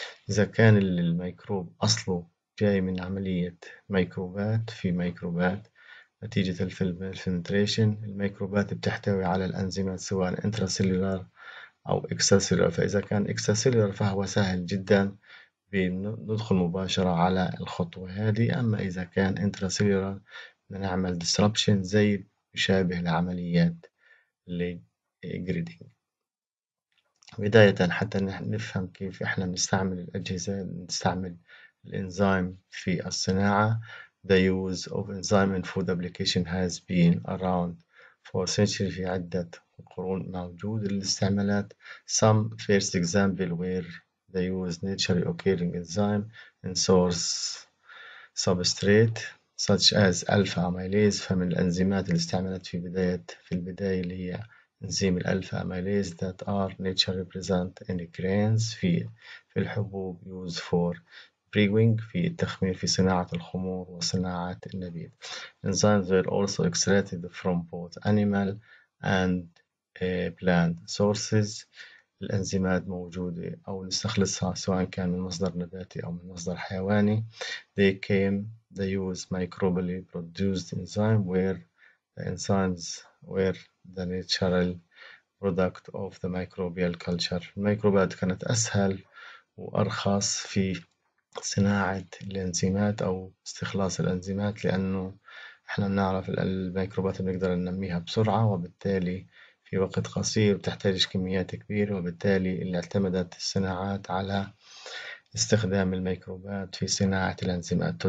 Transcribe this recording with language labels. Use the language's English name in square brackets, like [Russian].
[Arabic] إذا كان الميكروب أصله جاي من عملية ميكروبات، في ميكروبات نتيجة الفلتريشن، الميكروبات بتحتوي على الأنزيمات سواء انتراسيلولار أو اكستراسيلولار، فإذا كان اكستراسيلولار فهو سهل جدا، بندخل مباشرة على الخطوة هذه، أما إذا كان انتراسيلولار بنعمل ديسربشن زي يشابه لعمليات الجريدينج. بداية حتى نفهم كيف إحنا بنستعمل الأجهزة، نستعمل الإنزيم في الصناعة. [English] The use of enzyme in food application has been around for centuries. [Arabic] في عدة قرون موجود الاستعمالات. [English] Some first example where they use naturally occurring enzyme in source substrate such as alpha amylase. [Arabic] فمن الأنزيمات اللي استعملت في البداية اللي هي إنزيم الألفا أميليز [English] that are naturally present in grains [Arabic] في الحبوب [English] used for brewing [Arabic] في التخمير في صناعة الخمور وصناعة النبيذ. [English] Enzymes were also extracted from both animal and plant sources. [Arabic] الإنزيمات موجودة أو نستخلصها سواء كان من مصدر نباتي أو من مصدر حيواني. [English] They used microbially produced enzyme where the enzymes were the natural product of the microbial culture. [Arabic] الميكروبات كانت أسهل وأرخص في صناعة الإنزيمات أو استخلاص الإنزيمات، لأنه إحنا بنعرف الميكروبات بنقدر ننميها بسرعة وبالتالي في وقت قصير، بتحتاجش كميات كبيرة، وبالتالي اللي اعتمدت الصناعات على استخدام الميكروبات في صناعة الإنزيمات.